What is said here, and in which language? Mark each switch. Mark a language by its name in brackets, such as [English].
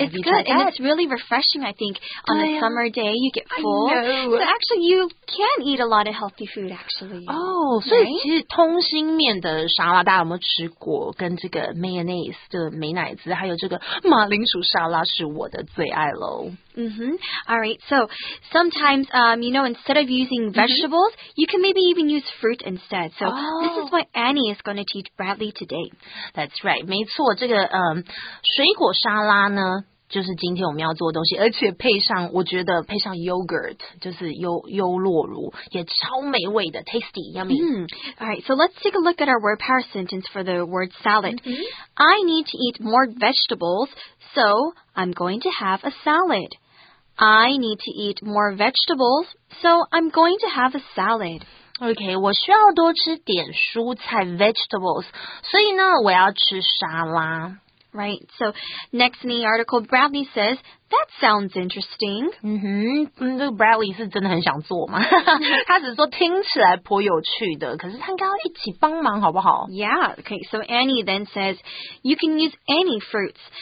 [English] It's good and it's really refreshing I think on a summer day you get full So actually you can eat a lot of healthy food actually [Chinese] 所以其实通心面的沙拉大家有没有吃过跟这个 mayonnaise 的美乃滋还有这个马铃薯沙拉那是我的最爱咯。 [English] All right, so sometimes, you know, instead of using vegetables,、you can maybe even use fruit instead. So、this is what Annie is going to teach Bradley today. That's right, [Chinese] 没错，这个、水果沙拉呢，就是今天我们要做的东西，而且配上，我觉得配上 yogurt, 就是优酪乳，也超美味的 , [English] tasty, yummy.、 All right, so let's take a look at our word power sentence for the word salad.、I need to eat more vegetables,So, I'm going to have a salad. I need to eat more vegetables, so I'm going to have a salad. [Chinese] OK, 我需要多吃点蔬菜 vegetables, 所以呢，我要吃沙拉。 [English] Right, so next in the article, Bradley says, that sounds interesting. [Chinese] Bradley 是真的很想做吗？他只是说听起来颇有趣的，可是他应该要一起帮忙好不好？ [English] Yeah, okay, so Annie then says, you can use any fruits.